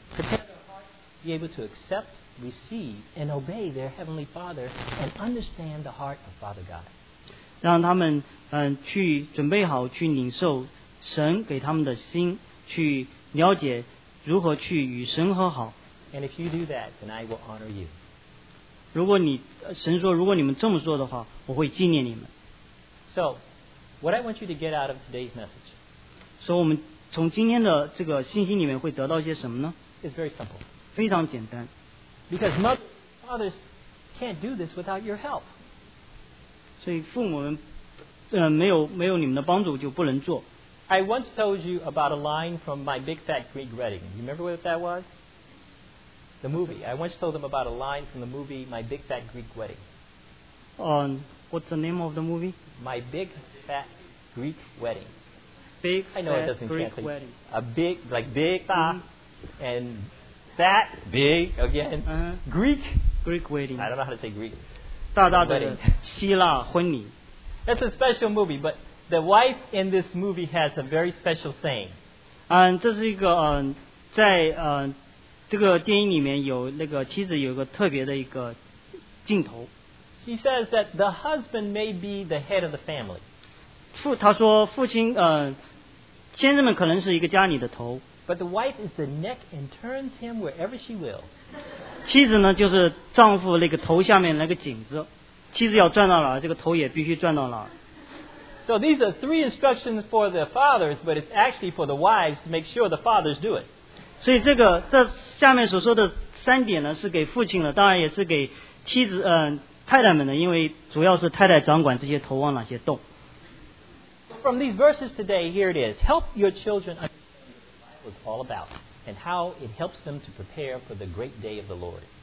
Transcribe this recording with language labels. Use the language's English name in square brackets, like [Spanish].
[English] Prepare their hearts to be able to accept, receive, and obey their Heavenly Father and understand the heart of Father God. [Chinese] 让他们去准备好去领受神给他们的心去了解如何去与神和好。 [English] And if you do that, then I will honor you. [Chinese] 如果你神说如果你们这么做的话我会纪念你们。 [English] So, what I want you to get out of today's message. [Chinese] 所以我们从今天的这个信息里面会得到些什么呢? [English] It's very simple. [Chinese] 非常简单。 [English] Because mothers, fathers can't do this without your help. [Chinese] 所以父母们没有你们的帮助就不能做。 [English] I once told you about a line from My Big Fat Greek Wedding. You remember what that was? The movie. I once told them about a line from the movie My Big Fat Greek Wedding. What's the name of the movie? My Big Fat Greek Wedding. Big I know fat it doesn't Greek translate. Wedding. A big, like big, mm-hmm. and fat, big, again, uh-huh. Greek. Greek wedding. I don't know how to say Greek. [Chinese] 大大的希腊婚礼。 [English] That's a special movie, but the wife in this movie has a very special saying. [Chinese] 这是一个在这个电影里面有那个妻子有一个特别的一个镜头。 [English] She says that the husband may be the head of the family. [Chinese] 他说父亲先生们可能是一个家里的头。 [English] But the wife is the neck and turns him wherever she will. [Chinese] 妻子呢就是丈夫那个头下面那个颈子。妻子要转到哪儿这个头也必须转到哪儿。 [English] So these are three instructions for the fathers, but it's actually for the wives to make sure the fathers do it. [Chinese] 所以这下面所说的三点呢是给父亲的当然也是给妻子太太们呢因为主要是太太掌管这些头往哪些动。 [English] From these verses today, here it is. Help your children understand what the Bible is all about and how it helps them to prepare for the great day of the Lord.